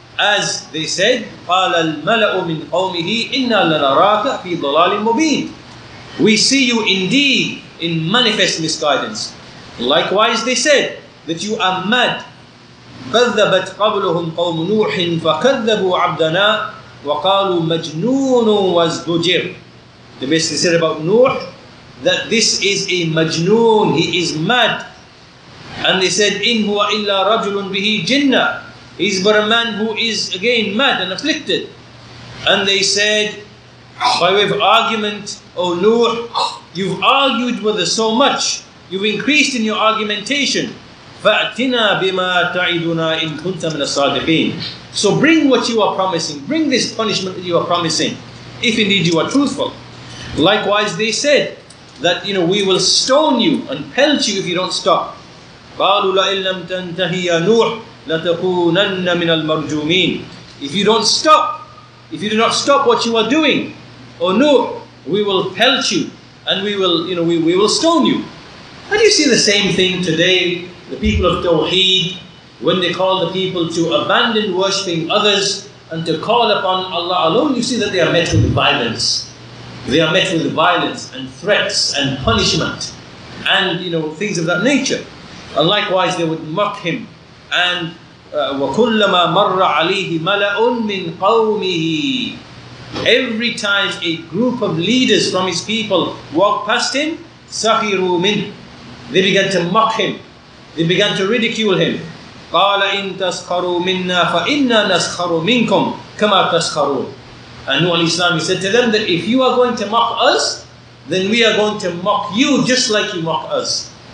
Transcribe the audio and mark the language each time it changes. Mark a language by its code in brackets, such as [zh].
[en] As they said, [ar] قَالَ الْمَلَأُ مِنْ قَوْمِهِ إِنَّا لَنَرَاكَ فِي ضَلَالٍ مُبِينٍ. [en] We see you indeed in manifest misguidance. Likewise, they said that you are mad. [ar] كَذَّبَتْ قَبْلُهُمْ قَوْمُ نُوحٍ فَكَذَّبُوا عَبْدَنَا وَقَالُوا مَجْنُونٌ وَازْدُجِرٌ. [en] They basically said about Nuh that this is a majnoon, he is mad. And they said, [ar] إِنْ هُوَ إِلَّا رَجُلٌ بِهِ جِنَّةٌ. [en] He's but a man who is again mad and afflicted. And they said, by way of argument, O Nuh, you've argued with us so much. You've increased in your argumentation. [ar] فَأْتِنَا بِمَا تَعِدُنَا إِنْ كُنْتَ مِنَ الصَّادِقِينَ. [en] So bring what you are promising. Bring this punishment that you are promising, if indeed you are truthful. Likewise, they said that, you know, we will stone you and pelt you if you don't stop. [ar] قَالُوا لَإِنْ لَمْ تَنْتَهِ يَا نُوحُ لَتَكُونَنَّ مِنَ الْمَرْجُومِينَ. [en] If you don't stop, if you do not stop what you are doing, O Nuh, we will pelt you and we will stone you. And you see the same thing today. The people of Tawheed, when they call the people to abandon worshipping others and to call upon Allah alone, you see that they are met with violence. They are met with violence and threats and punishment and, you know, things of that nature. And likewise, they would mock him. [ar] And وَكُلَّمَا مَرَّ عَلَيْهِ مَلَأٌ مِّن قَوْمِهِ. [en] Every time a group of leaders from his people walked past him, [ar] سَخِرُوا مِنْهِ. [en] They began to mock him. They began to ridicule him. [ar] قَالَ إِن تَسْخَرُوا مِنَّا فَإِنَّا نَسْخَرُوا مِنْكُمْ كَمَا تَسْخَرُونَ. [en] And Nuh al-Islam, he said to them that if you are going to mock us, then we are going to mock you just like you mock us.